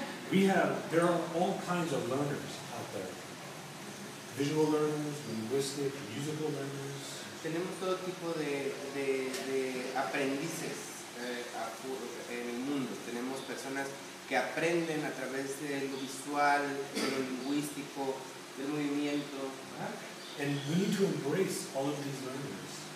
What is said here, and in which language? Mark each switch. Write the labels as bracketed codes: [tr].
[en] We have, there are all kinds of learners out there. Visual learners, linguistic, musical learners. [es] Tenemos todo tipo de aprendices en el mundo. Tenemos personas que aprenden a través de lo visual, de lo lingüístico, del movimiento. [en] And we need to embrace all of these learners.